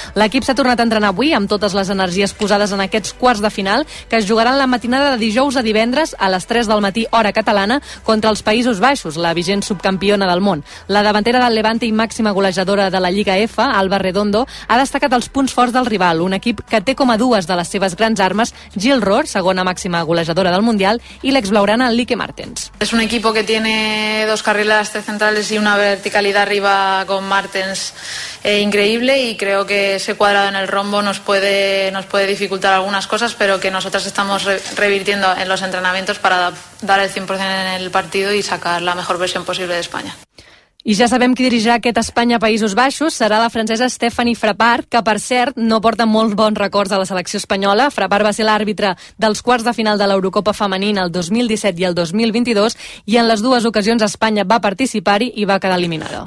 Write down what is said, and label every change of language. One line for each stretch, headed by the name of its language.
Catalan: L'equip s'ha tornat a entrenar avui amb totes les energies posades en aquests quarts de final, que es jugaran la matinada de dijous a divendres a les 3 del matí hora catalana contra els Països Baixos, la vigent subcampiona del món. La davantera del Levante i màxima golejadora de la Lliga F, Alba Redondo, ha destacat els punts forts del rival, un equip que té com a dues de les seves grans armes Jill Rohr, segona màxima golejadora del Mundial, i l'exblaurana Lique Martens.
Spanish: Es un equipo que tiene dos carriles, tres centrales y una verticalidad arriba con Martens increíble, y creo que ese cuadrado en el rombo nos puede dificultar algunas cosas, pero que nosotras estamos revirtiendo en los entrenamientos para dar el 100% en el partido y sacar la mejor versión posible de España.
Catalan: I ja sabem qui dirigirà aquest Espanya-Països Baixos. Serà la francesa Stéphanie Frappart, que, per cert, no porta molt bons records a la selecció espanyola. Frappart va ser l'àrbitre dels quarts de final de l'Eurocopa femenina el 2017 i el 2022, i en les dues ocasions Espanya va participar-hi i va quedar eliminada.